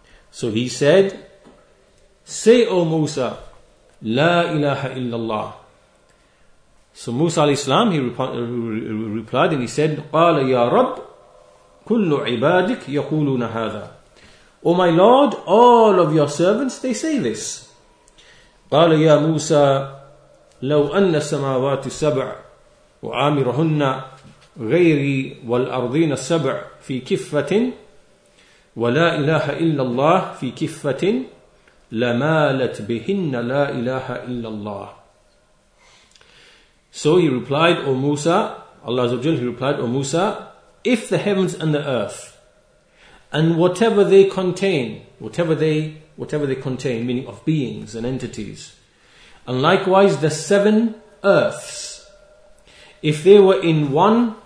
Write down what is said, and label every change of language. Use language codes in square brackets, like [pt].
[en] So he said, say, O Musa, La ilaha illallah. So Musa alayhi salam, he replied and he said, [ar] قَالَ يَا رَبْ كُلُّ عِبَادِكْ يَقُولُونَ هَذَا. [en] O my Lord, all of your servants, they say this. [ar] قال يا موسى لو أن السماوات السبع وعامرهن غيري والأرضين السبع في كفة ولا إله إلا الله في كفة لمالت بهن لا إله إلا الله. [en] So he replied, O Musa, Allah Azza wa Jalla, he replied, O Musa, if the heavens and the earth and whatever they contain, meaning of beings and entities, and likewise the seven earths, if they were in one